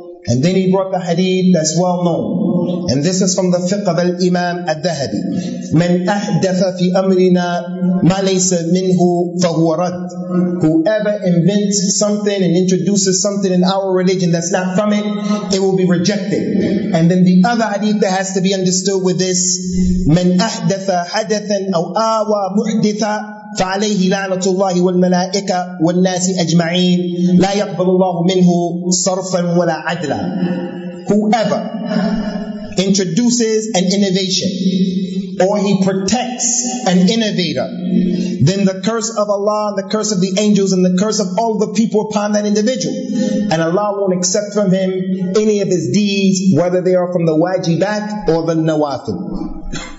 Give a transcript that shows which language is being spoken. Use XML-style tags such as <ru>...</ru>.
<en>And then he brought the hadith that's well known. And this is from the fiqh of al-Imam al-Dhahabi.</en> <ar>مَنْ أَحْدَثَ فِي أَمْرِنَا مَا لَيْسَ مِنْهُ فَهُوَ رَدْ.</ar> <en>Whoever invents something and introduces something in our religion that's not from it, it will be rejected. And then the other hadith that has to be understood with this,</en> <ar>مَنْ أَحْدَثَ حَدَثًا أَوْ آوَى مُحْدِثًا فَعَلَيْهِ لَعْنَةُ اللَّهِ وَالْمَلَائِكَةِ وَالنَّاسِ أَجْمَعِينَ لَا يَقْبَلُ اللَّهُ مِنْهُ صَرْفًا وَلَا عَدْلًا.</ar> <en>Whoever introduces an innovation, or he protects an innovator, then the curse of Allah, and the curse of the angels, and the curse of all the people upon that individual. And Allah won't accept from him any of his deeds, whether they are from the wajibat or the nawafil.</en>